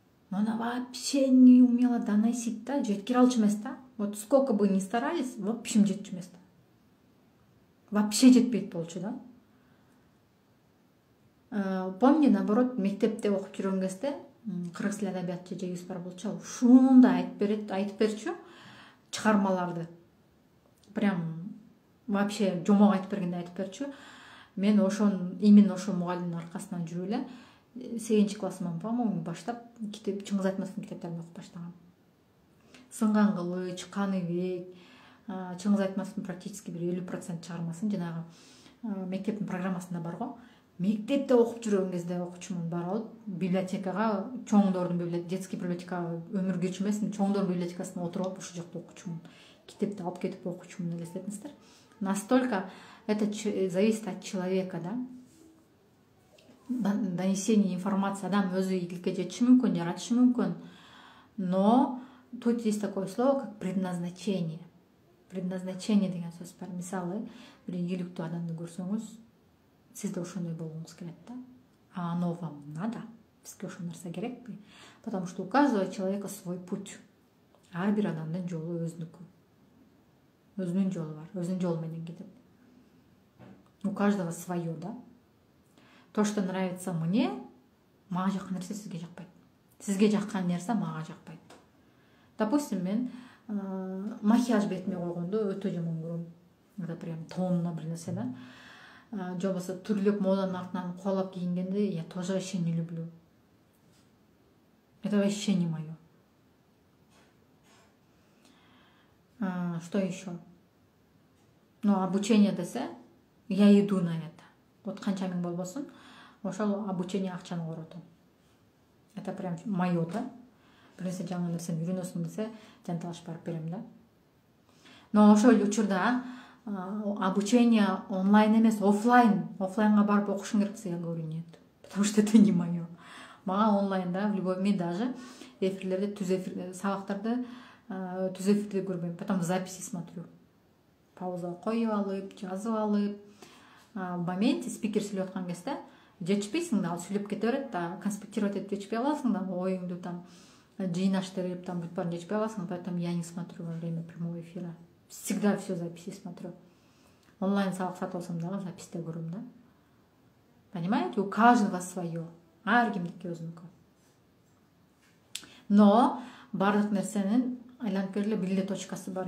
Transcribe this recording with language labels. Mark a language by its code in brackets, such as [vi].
[ru] Но она вообще не умела доносить, да? [ky] Жеткиралчы эмес да? [ru] Вот сколько бы ни старались, в общем, [ky] жетчү эмес да. [ru] Вообще [ky] жетпейт болчу, [ru] да? [ky] Помню, наоборот, мектепте окуп жүргөн кезде, кыргыз тил адабиятчы жегибиз бар болчу, ушундай айтып берчү чыгармаларды. Прям вообще жомок айтып бергенде айтып берчү. Мен ошон, именно ошол мугалимдин аркасынан жүрүп эле 8-чи классыман, по-моему, баштап китеп, Чыңгыз Айтматовдун китептерин окуп баштаган. Сынган кылыч, Кан ийбек, Чыңгыз Айтматовдун практически бир 50% чыгармасын жанагы мектептин программасында бар го. Мектепте окуп жүргөн кезде окучумун бар алып библиотекага, чоңдордун детский библиотекага өмүр кечмесин, чоңдордун библиотекасына отуруп алып ушул жакта окучумун, китепти алып кетип окучумун элестетиңиздер. [ru] Настолько это зависит от человека, да? Донесение информации, [ky] адам өзү ийгиликке жетиши мүмкүн, жаратышы мүмкүн. [ru] Но тут есть такое слово, как предназначение. [ky] Предназначение деген сөз бар. Мисалы, бир ийгиликтүү адамды көрсөңүз, сиз да ошондой болгуңуз келет да. [ru] А оно вам надо? [ky] Бизге ошол нерсе керекпи? [ru] Потому что у каждого человека свой путь. [ky] Ар бир адамдын жолу өзүнүкү. Өзүнүн жолу бар, өзүнүн жолу менен кетет. [ru] У каждого свое, да? То, что нравится мне, [ky] мага жаккан нерсе сизге жакпайт. Сизге жаккан нерсе мага жакпайт. Допустим, мен макияж бетиме койгондо өтө жаман көрөм. [ru] Это прям тонна [ky] бир нерсе да. Же болбосо түрлүк моданын артынан коолап кийингенде [ru] я тоже вообще не люблю. Это вообще не мое. Что еще? Ну, обучение десе, я иду на это. [ky] Вот канча миң болбосун. Ошол обучение акчаны коротом. [ru] Это прям мое, да? [ky] Бирөөсө жаңы нерсени үйрөнөсүң десе жанталашып барып берем, да? Но ошол учурда обучение онлайн эмес, офлайн. Офлайнга барып окушуң керек десе [ru] я говорю нет. Потому что это не мое. Мага онлайн, да, в любой момент даже [ky] эфирлерде түз эфир сабактарды түз эфирде көрбөйм. [ru] Потом записи смотрю. [ky] Пауза коюп алып, жазып алып. В моменте спикер сүйлөп аткан кезде жетишпейсиң да, ал сүйлөп кете берет да, конспектировать этип жетишпей аласың да, оюңду там жыйнаштырып там бүт баарын жетишпей аласың, [ru] поэтому я не смотрю во время прямого эфира. Всегда все записи смотрю. [ky] Онлайн сабак сатып алсам дагы записте көрөм да. [ru] Понимаете, у каждого свое. [ky] Ар кимдики өзүнүкү. Но бардык нерсенин айланып келе бир эле точкасы бар.